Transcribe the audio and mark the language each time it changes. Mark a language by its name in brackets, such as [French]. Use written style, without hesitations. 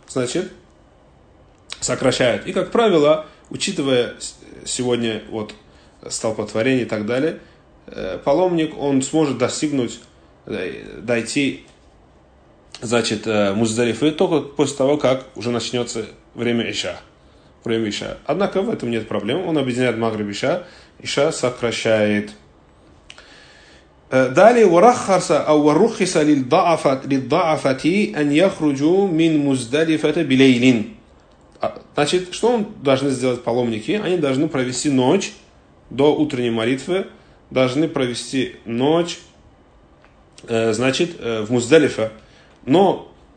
[Russian] Значит, сокращают. И, как правило, учитывая сегодня вот столпотворение и так далее, паломник, он сможет дойти, значит, Муздалифы только после того, как уже начнется время Иша. Время Иша. Однако в этом нет проблем. Он объединяет Магриб и Иша. Иша сокращает. Далее, [Arabic] ورخص أو ورخص للضعفة للضعفة أن يخرجوا من مزدلفة بليل. [Russian] Значит, что должны сделать паломники? Они должны провести ночь до утренней молитвы, должны провести ночь, значит, в Муздалифе. Но